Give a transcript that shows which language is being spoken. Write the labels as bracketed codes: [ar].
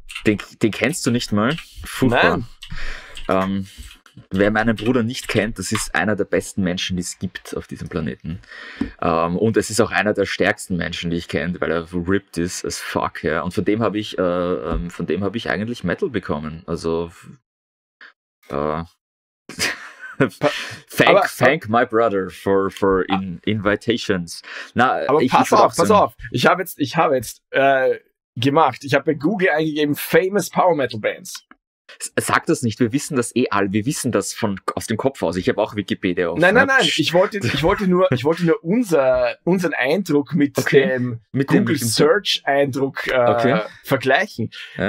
[de] Den kennst du nicht mal? Furchtbar. Nein. Wer meinen Bruder nicht kennt, das ist einer der besten Menschen, die es gibt auf diesem Planeten. Und es ist auch einer der stärksten Menschen, die ich kenne, weil er ripped ist [en] as fuck. [de] Ja. Und von dem habe ich eigentlich Metal bekommen. [en] Also thank my brother for invitations. [de] Na, aber pass auf, ich habe jetzt gemacht. Ich habe bei Google eingegeben [en] famous Power Metal Bands. [de] Sag das nicht, wir wissen das eh alle, wir wissen das aus dem Kopf aus. Ich habe auch Wikipedia auf. Nein, ich wollte nur unseren Eindruck mit Google-Search-Eindruck vergleichen. Ja.